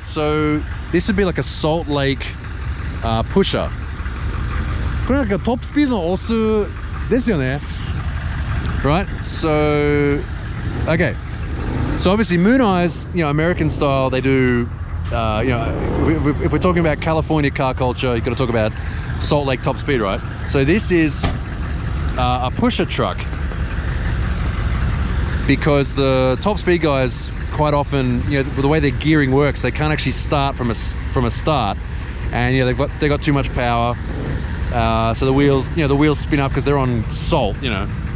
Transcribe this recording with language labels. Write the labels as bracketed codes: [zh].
[en] So this would be like a Salt Lake pusher. [ja] これなんかトップスピードの押すですよね? [en] Right. So okay. So obviously Mooneyes, you know, American style, they do, you know, if we're talking about California car culture, you've got to talk about Salt Lake top speed, right? So this is a pusher truck because the top speed guys quite often, you know, the way their gearing works, they can't actually start from a start, and you know, they've got too much power, so the wheels, you know, the wheels spin up because they're on salt, you know.